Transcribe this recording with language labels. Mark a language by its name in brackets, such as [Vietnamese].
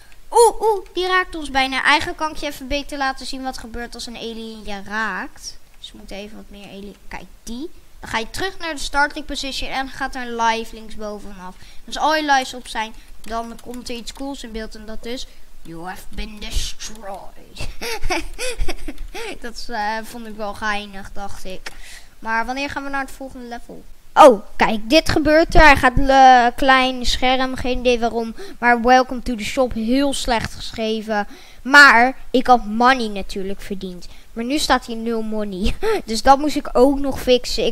[Dutch] Oeh, die raakt ons bijna. Eigenlijk kan ik je even beter laten zien wat gebeurt als een alien je raakt. Dus we moeten even wat meer alien... Kijk, die. Dan ga je terug naar de starting position en gaat er een live linksbovenaf. Als al je lives op zijn, dan komt er iets cools in beeld en dat is... [English] You have been destroyed. [Dutch] Dat vond ik wel geinig, dacht ik. Maar wanneer gaan we naar het volgende level? Oh, kijk, dit gebeurt er. Hij gaat klein scherm, geen idee waarom. Maar [English] welcome to the shop, [Dutch] heel slecht geschreven. Maar ik had money natuurlijk verdiend. Maar nu staat hier 0 money. Dus dat moest ik ook nog fixen.